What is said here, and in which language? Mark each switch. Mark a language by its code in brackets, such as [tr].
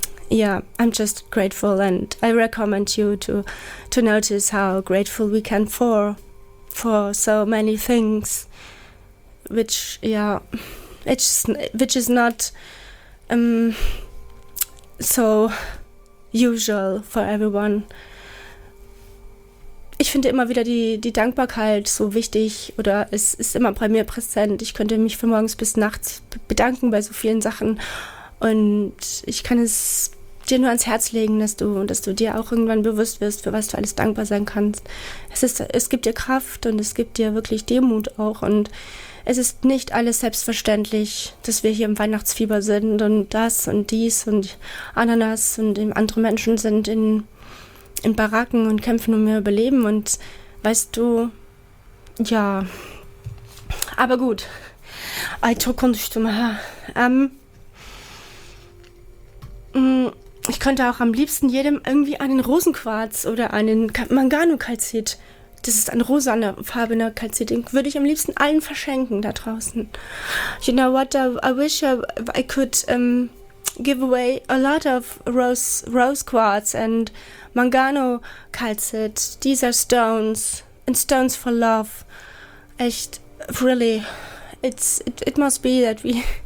[en] yeah, I'm just grateful and I recommend you to notice how grateful we can for so many things which is not so usual for everyone. [de] Ich finde immer wieder die Dankbarkeit so wichtig oder es ist immer bei mir präsent. Ich könnte mich von morgens bis nachts bedanken bei so vielen Sachen Und ich kann es dir nur ans Herz legen, dass du dir auch irgendwann bewusst wirst, für was du alles dankbar sein kannst. Es gibt dir Kraft und es gibt dir wirklich Demut auch. Und es ist nicht alles selbstverständlich, dass wir hier im Weihnachtsfieber sind und das und dies und Ananas und eben andere Menschen sind in Baracken und kämpfen um ihr Überleben. Und weißt du, ja, aber gut. Ich könnte auch am liebsten jedem irgendwie einen Rosenquarz oder einen Mangano-Kalzit, das ist ein rosanefarbener Kalzit, den würde ich am liebsten allen verschenken da draußen. [en] You know what, I wish I could give away a lot of rose quartz and Mangano-Kalzit. These are stones, and stones for love. [de] Echt, [en] really, it must be that we...